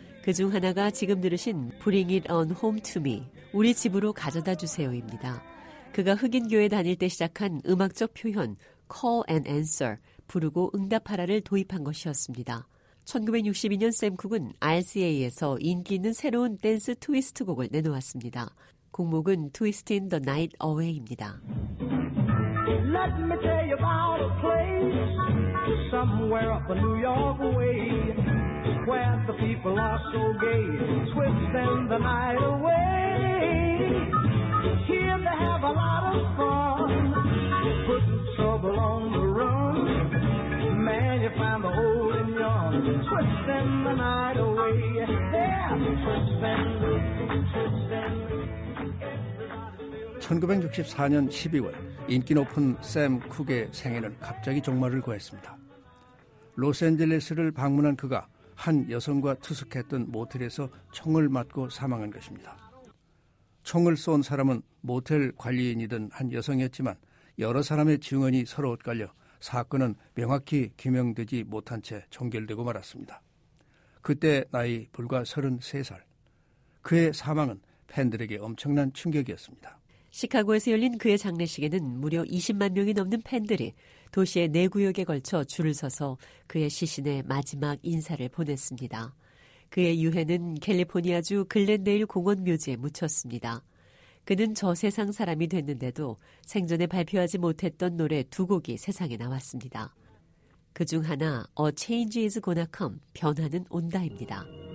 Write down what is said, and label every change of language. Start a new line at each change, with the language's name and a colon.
Korean: 그중 하나가 지금 들으신 Bring It On Home To Me, 우리 집으로 가져다 주세요입니다. 그가 흑인 교회 다닐 때 시작한 음악적 표현 Call and Answer, 부르고 응답하라를 도입한 것이었습니다. 1962년 샘 쿡은 RCA에서 인기 있는 새로운 댄스 트위스트 곡을 내놓았습니다. 곡목은 Twist in the Night Away입니다.
English: Let me tell you about a place somewhere up in New York way where the people are so gay, twisting the night away. Here they have a lot of fun, putting trouble on the run. Man, you find the old and young, twisting the night away. Yeah, twisting, twisting.
Korean: 1964년 12월, 인기 높은 샘 쿡의 생애는 갑자기 종말을 구했습니다. 로스앤젤레스를 방문한 그가 한 여성과 투숙했던 모텔에서 총을 맞고 사망한 것입니다. 총을 쏜 사람은 모텔 관리인이던 한 여성이었지만 여러 사람의 증언이 서로 엇갈려 사건은 명확히 규명되지 못한 채 종결되고 말았습니다. 그때 나이 불과 33살, 그의 사망은 팬들에게 엄청난 충격이었습니다. 시카고에서 열린 그의 장례식에는 무려 20만 명이 넘는 팬들이 도시의 네 구역에 걸쳐 줄을 서서 그의 시신의 마지막 인사를 보냈습니다. 그의 유해는 캘리포니아주 글렌데일 공원 묘지에 묻혔습니다. 그는 저 세상 사람이 됐는데도 생전에 발표하지 못했던 노래 두 곡이 세상에 나왔습니다. 그중 하나, A Change is Gonna Come, 변화는 온다입니다.